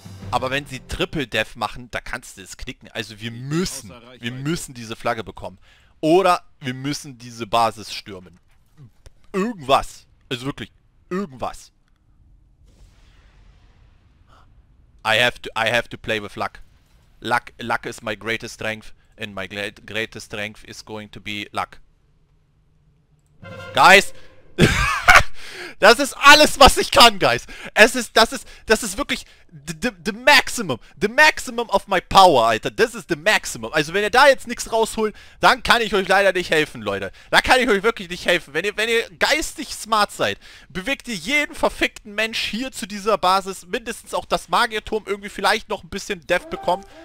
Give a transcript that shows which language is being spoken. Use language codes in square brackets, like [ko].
[de] Aber wenn sie Triple Death machen, da kannst du es knicken. Also wir müssen diese Flagge bekommen. Oder wir müssen diese Basis stürmen. Irgendwas. Also wirklich, irgendwas. [en] I have to play with luck. Luck is my greatest strength. And my greatest strength is going to be luck. [de] Guys, das ist alles, was ich kann, Guys. Das ist wirklich [en] the maximum of my power, Alter. [de] Das ist [en] the maximum. [de] Also wenn ihr da jetzt nichts rausholt, dann kann ich euch leider nicht helfen, Leute. Da kann ich euch wirklich nicht helfen. Wenn ihr geistig smart seid, bewegt ihr jeden verfickten Mensch hier zu dieser Basis, mindestens auch das Magierturm irgendwie vielleicht noch ein bisschen Death bekommen.